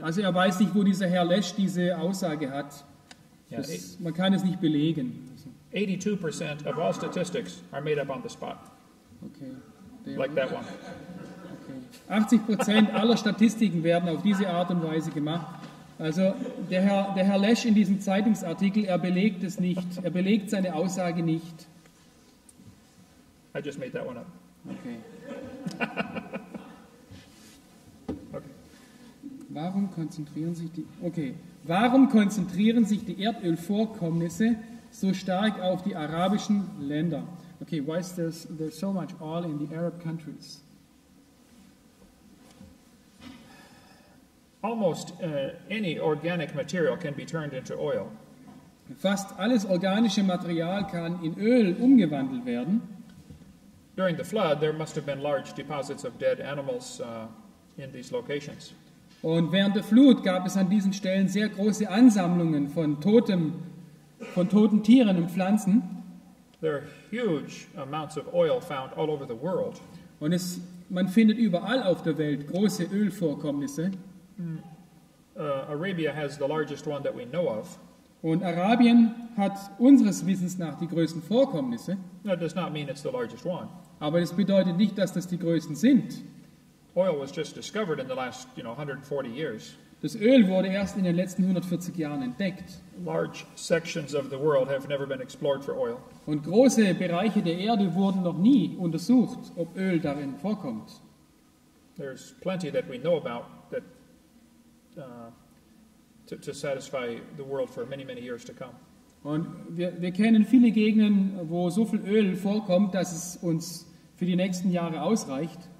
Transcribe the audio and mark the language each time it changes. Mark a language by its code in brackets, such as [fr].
[de] Also er weiß nicht, wo dieser Herr Lesch diese Aussage hat. [en] Yeah, [de] das, man kann es nicht belegen. [en] 82% of all statistics are made up on the spot. Okay. Like that one. Okay. [de] 80% aller Statistiken werden auf diese Art und Weise gemacht. Also der Herr Lesch in diesem Zeitungsartikel, er belegt es nicht. Er belegt seine Aussage nicht. [en] I just made that one up. Okay. [de] Warum konzentrieren sich die Erdölvorkommnisse so stark auf die arabischen Länder? [en] Okay, why is there so much oil in the Arab countries? Almost any organic material can be turned into oil. [de] Fast alles organische Material kann in Öl umgewandelt werden. [en] During the flood, there must have been large deposits of dead animals in these locations. [de] Und während der Flut gab es an diesen Stellen sehr große Ansammlungen von toten Tieren und Pflanzen. [en] There are huge amounts of oil found all over the world. [de] Und es, man findet überall auf der Welt große Ölvorkommnisse. [en] Arabia has the largest one that we know of. [de] Und Arabien hat unseres Wissens nach die größten Vorkommnisse. [en] That does not mean it's the largest one. [de] Aber es bedeutet nicht, dass das die größten sind. [en] Oil was just discovered in the last, you know, 140 years. [de] Das Öl wurde erst in den letzten 140 Jahren entdeckt. [en] Large sections of the world have never been explored for oil. [de] Und große Bereiche der Erde wurden noch nie untersucht, ob Öl darin vorkommt. [en] There's plenty that we know about that to satisfy the world for many, many years to come. [de] Und wir kennen viele Gegenden, wo so viel Öl vorkommt, dass es uns für die nächsten Jahre ausreicht.